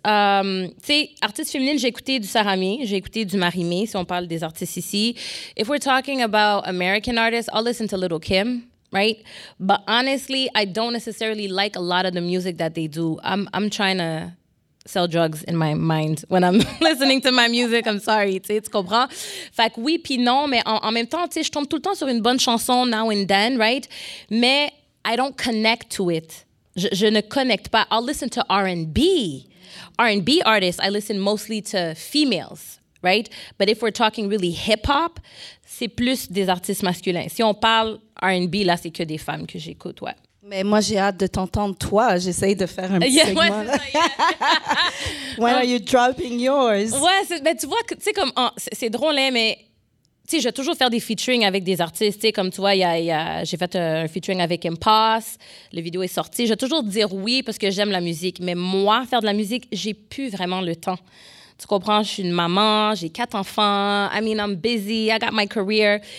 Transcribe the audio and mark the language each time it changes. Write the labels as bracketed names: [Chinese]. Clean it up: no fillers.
[French] Tu sais, artistes féminines, j'ai écouté du Sarami, j'ai écouté du Marimé, si on parle des artistes ici. [English] If we're talking about American artists, I'll listen to Lil' Kim, right? But honestly, I don't necessarily like a lot of the music that they do. I'm trying to sell drugs in my mind when I'm listening to my music. I'm sorry, [French] tu sais, tu comprends? Fait que oui, puis non, mais en même temps, tu sais, je tombe tout le temps sur une bonne chanson [English] now and then, right? [French] Mais [English] I don't connect to it. [French] Je ne connecte pas. [English] I'll listen to R&B. R&B artists, I listen mostly to females, right? But if we're talking really hip-hop, [French] c'est plus des artistes masculins. Si on parle R&B, là, c'est que des femmes que j'écoute, ouais. Mais moi, j'ai hâte de t'entendre, toi. J'essaye de faire un petit segment. Ouais, c'est ça, yeah. [English] When are you dropping yours? [French] Ouais, mais tu vois, tu sais, comme, c'est drôle, hein, mais tu sais, je vais toujours faire des featuring avec des artistes. Tu sais, comme tu vois, j'ai fait un featuring avec Impasse. La vidéo est sortie. Je vais toujours dire oui parce que j'aime la musique. Mais moi, faire de la musique, j'ai plus vraiment le temps. Tu comprends, je suis une maman, j'ai 4 enfants. [English] I mean, I'm busy, I got my career.